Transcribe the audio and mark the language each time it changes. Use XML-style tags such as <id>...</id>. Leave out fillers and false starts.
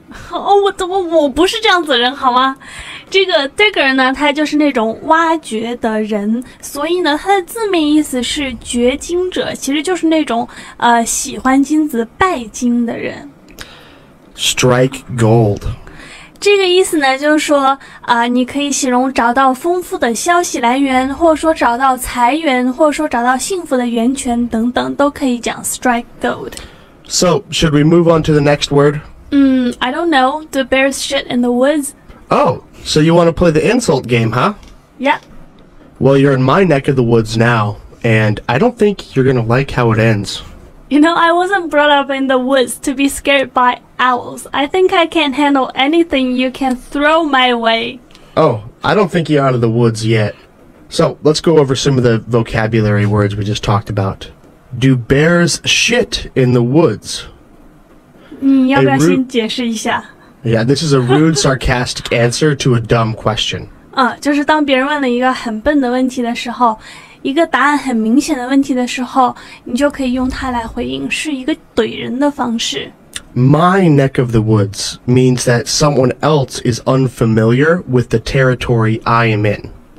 <zh>哦，我不是这样子的人，好吗？这个 digger 呢，它就是那种挖掘的人，所以呢，它的字面意思是掘金者，其实就是那种喜欢金子、拜金的人。</zh> <en>Strike gold，</en> <zh>这个意思呢，就是说你可以形容找到丰富的消息来源，或者说找到财源，或者说找到幸福的源泉等等，都可以讲 strike gold。</zh> <en>So should we move on to the next word？ I don't know. The bear's shit in the woods. Oh, so you want to play the insult game, huh? Yeah. Well, you're in my neck of the woods now, and I don't think you're going to like how it ends. You know, I wasn't brought up in the woods to be scared by owls. I think I can't handle anything you can throw my way. Oh, I don't think you're out of the woods yet. So, let's go over some of the vocabulary words we just talked about. Do bears shit in the woods?</en> <zh>你要不要先解释一下？</zh> <en>Yeah, this is a rude, sarcastic answer to a dumb question.</en> <zh>就是当别人问了一个很笨的问题的时候，一个答案很明显的问题的时候，你就可以用它来回应，是一个怼人的方式。</zh> <en>My neck of the woods means that someone else is unfamiliar with the territory I am in.</en>